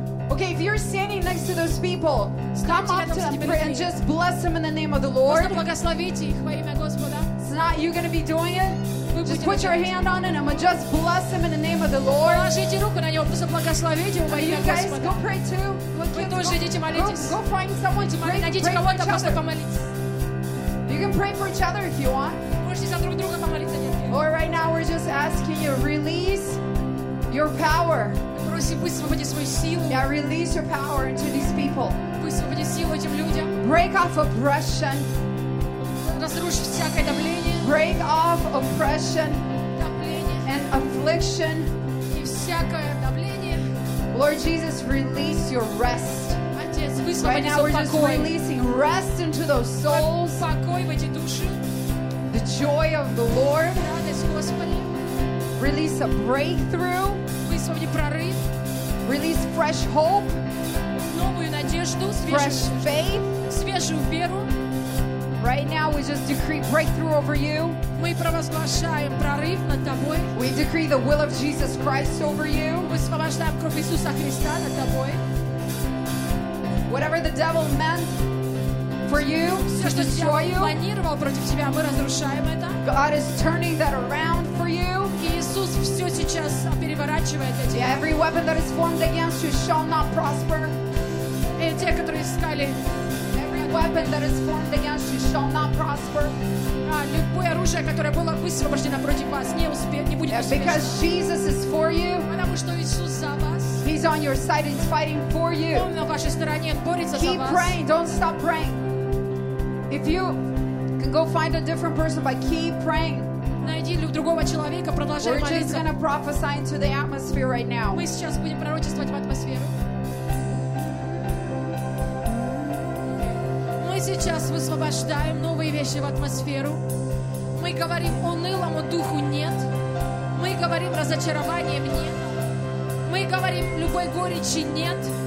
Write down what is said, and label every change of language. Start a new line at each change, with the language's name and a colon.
English: Okay, if you're standing next to those people, come up to them and just bless them in the name of the Lord.
Russian: Просто благословите их во имя Господа.
English: It's not you going to be doing it. Just put your hand on it and just bless him in the name of the Lord.
Russian: Положите руку на него, просто благословите его во имя Господа.
English: You guys go pray too.
Russian: Вы тоже идите молитесь.
English: Go find someone to pray.
Russian: Найдите кого-то, просто помолитесь.
English: You can pray for each other if you want.
Russian: Можете за друг друга помолиться, нет?
English: Or right now we're just asking you release your power.
Russian: Просим, пусть освободи свою силу.
English: Yeah, release your power into these people.
Russian: Пусть освободи силу этим людям.
English: Break off oppression.
Russian: Разрушить всякое давление.
English: Break off oppression and affliction.
Russian: И всякое давление.
English: Lord Jesus, release your rest.
Russian: Отец, вы свободите покой.
English: Right now we're just releasing rest into those souls.
Russian: Покой в эти души.
English: The joy of the Lord.
Russian: Радость Господи.
English: Release a breakthrough.
Russian: Вы свободите прорыв.
English: Release fresh hope.
Russian: Новую надежду.
English: Fresh faith.
Russian: Свежую веру.
English: Right now we just decree breakthrough over you.
Russian: Мы провозглашаем прорыв над тобой.
English: We decree the will of Jesus Christ over you.
Russian: Мы провозглашаем кровь Иисуса Христа над тобой.
English: Whatever the devil meant for you,
Russian: все, что дьявол планировал против тебя, мы разрушаем это.
English: God is turning that around for you.
Russian: Иисус все сейчас переворачивает для тебя.
English: Every weapon that is formed against you shall not prosper.
Russian: И те, которые искали.
English: Weapon that is formed against you shall not prosper.
Russian: Любое оружие, которое было высвобождено против вас, не успеет, не будет успешным.
English: Because Jesus is for you.
Russian: Потому что Иисус за вас.
English: He's on your side. He's fighting for you.
Russian: Он на вашей стороне, он борется за вас.
English: Keep praying. Don't stop praying. If you can go find a different person, but keep praying.
Russian: Найди другого человека, продолжай молиться.
English: We're just going to prophesy into the atmosphere right now.
Russian: Мы сейчас будем пророчествовать в атмосферу. Сейчас высвобождаем новые вещи в атмосферу. Мы говорим унылому духу нет. Мы говорим разочарованием нет. Мы говорим любой горечи нет.